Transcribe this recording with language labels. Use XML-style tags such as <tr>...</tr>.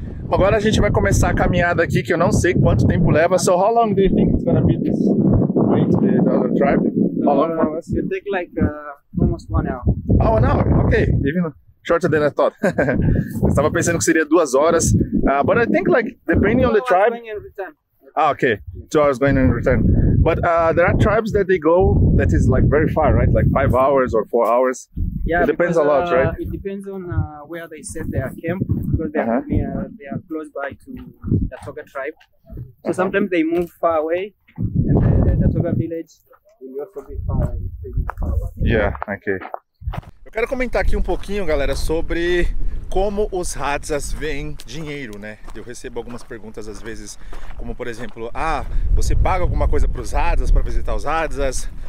<pt>Agora a gente vai começar a caminhada aqui, que eu não sei quanto tempo leva.</pt> <en>So how long do you think it's gonna be this way to the other tribe? How long? It take like almost 1 hour. Oh, 1 hour? Okay, even shorter than I thought.</en> <pt>Estava pensando que seria 2 horas.</pt> <en>But I think like depending on the tribe. Ah, okay. 2 hours going and return. But there are tribes that they go that is like very far, right? Like 5 hours or 4 hours. Yeah, it depends because, a lot, right? It depends on where they set their camp, because they, uh-huh. They are close by to the Toga tribe. So uh-huh. Sometimes they move far away, and the Toga village will also be far away. Yeah, okay.</en> <pt>Eu quero comentar aqui um pouquinho, galera, sobre como os Hadzas veem dinheiro, né? Eu recebo algumas perguntas às vezes, como por exemplo, ah, você paga alguma coisa para os Hadzas, para visitar os Hadzas?</pt>